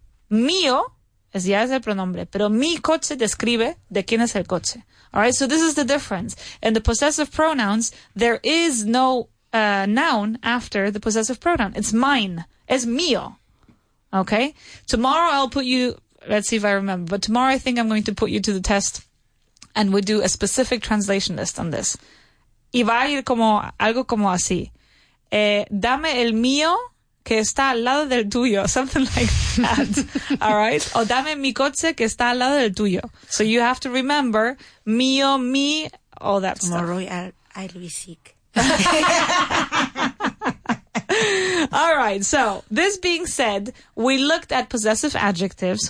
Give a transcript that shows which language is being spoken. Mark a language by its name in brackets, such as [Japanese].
[Spanish] Mío es ya es el pronombre, pero mi coche describe de quién es el coche. [English] All right, so this is the difference. In the possessive pronouns, there is no noun after the possessive pronoun. It's mine. [Spanish] Es mío. [English] Okay? Tomorrow I'll put you, let's see if I remember, but tomorrow I think I'm going to put you to the test. And we do a specific translation list on this. [Spanish] Y va a ir como, algo como así. Dame el mío que está al lado del tuyo. [English] Something like that. All right? [Spanish] O dame mi coche que está al lado del tuyo. [English] So you have to remember, mío, mí, all that tomorrow stuff. Tomorrow I'll be sick. All right. So this being said, we looked at possessive adjectives.